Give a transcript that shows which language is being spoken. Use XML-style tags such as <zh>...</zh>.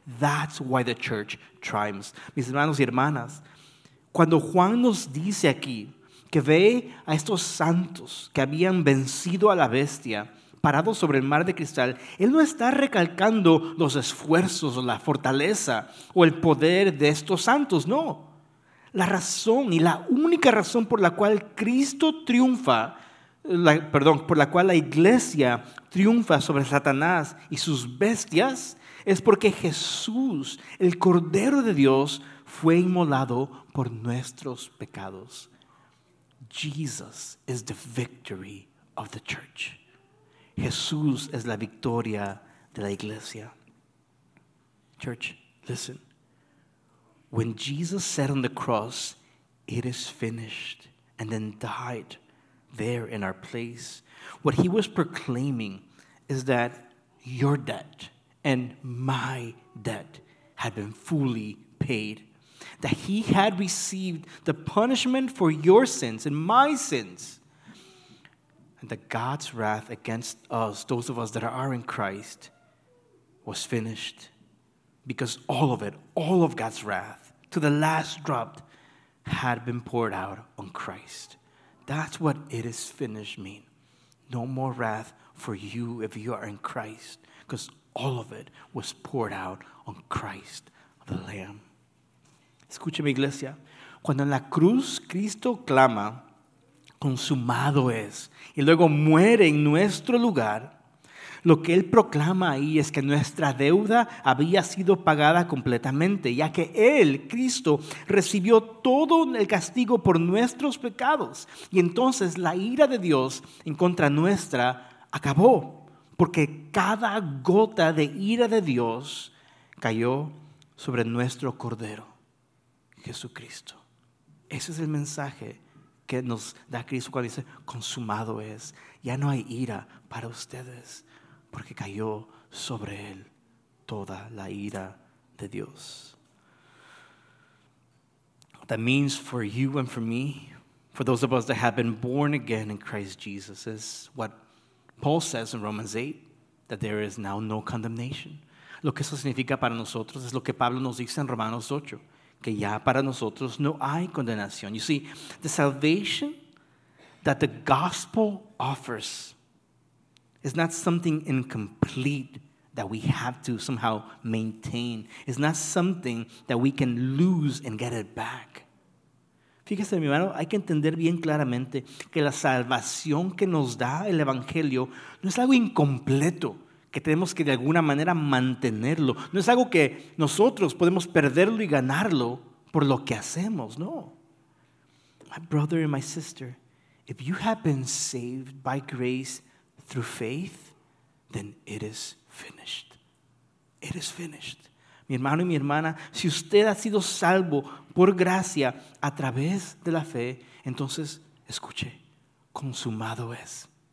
<en>That's why the church triumphs.</en> <es>Mis hermanos y hermanas, cuando Juan nos dice aquí que ve a estos santos que habían vencido a la bestia, parados sobre el mar de cristal, él no está recalcando los esfuerzos o la fortaleza o el poder de estos santos, no. La razón y la única razón por la cual Cristo triunfa, por la cual la iglesia triunfa sobre Satanás y sus bestias, es porque Jesús, el Cordero de Dios, fue inmolado por nuestros pecados.</es> <en>Jesus is the victory of the church.</en> <es>Jesús es la victoria de la iglesia.</es> <en>Church, listen. When Jesus sat on the cross, it is finished, and then died there in our place. What he was proclaiming is that your debt and my debt had been fully paid. That he had received the punishment for your sins and my sins. And that God's wrath against us, those of us that are in Christ, was finished. Because all of it, all of God's wrath, to the last drop, had been poured out on Christ. That's what "it is finished" mean. No more wrath for you if you are in Christ. Because all of it was poured out on Christ, the Lamb.</en> <es>Escúcheme, iglesia. Cuando en la cruz Cristo clama, "consumado es", y luego muere en nuestro lugar, Lo que él proclama ahí es que nuestra deuda había sido pagada completamente, ya que él, Cristo, recibió todo el castigo por nuestros pecados. Y entonces la ira de Dios en contra nuestra acabó, porque cada gota de ira de Dios cayó sobre nuestro Cordero, Jesucristo. Ese es el mensaje que nos da Cristo cuando dice, consumado es, ya no hay ira para ustedes, porque cayó sobre él toda la ira de Dios.</es> <en>What that means for you and for me, for those of us that have been born again in Christ Jesus, is what Paul says in Romans 8, that there is now no condemnation.</en> <es>Lo que eso significa para nosotros es lo que Pablo nos dice en Romanos 8, que ya para nosotros no hay condenación.</es> <en>You see, the salvation that the gospel offers is not something incomplete that we have to somehow maintain. It's not something that we can lose and get it back.</en> <es>Fíjese, mi hermano, hay que entender bien claramente que la salvación que nos da el Evangelio no es algo incompleto, que tenemos que de alguna manera mantenerlo. No es algo que nosotros podemos perderlo y ganarlo por lo que hacemos, no.</es> <en>My brother and my sister, if you have been saved by grace through faith, then it is finished. It is finished.</en> <es>Mi hermano y mi hermana, si usted ha sido salvo por gracia a través de la fe, entonces, escuche, consumado es.</es>